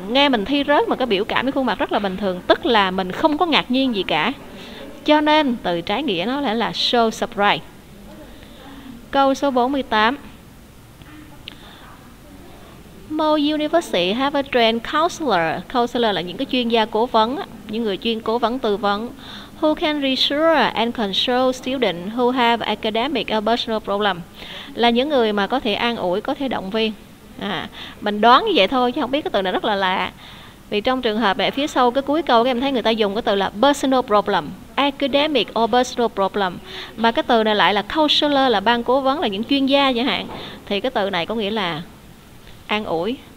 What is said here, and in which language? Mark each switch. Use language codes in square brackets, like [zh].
[vi] Nghe mình thi rớt mà cái biểu cảm với khuôn mặt rất là bình thường, tức là mình không có ngạc nhiên gì cả. Cho nên từ trái nghĩa nó lại là show surprise. Câu số 48. Most universities have a trained counselor. Counselor là những cái chuyên gia cố vấn, những người chuyên cố vấn tư vấn. [en] Who can reassure and control students who have academic or personal problems? [vi] Là những người mà có thể an ủi, có thể động viên. À, mình đoán như vậy thôi chứ không biết, cái từ này rất là lạ. Vì trong trường hợp này phía sau cái cuối câu các em thấy người ta dùng cái từ là personal problem, academic or personal problem, mà cái từ này lại là counselor, là ban cố vấn, là những chuyên gia chẳng hạn, thì cái từ này có nghĩa là an ủi.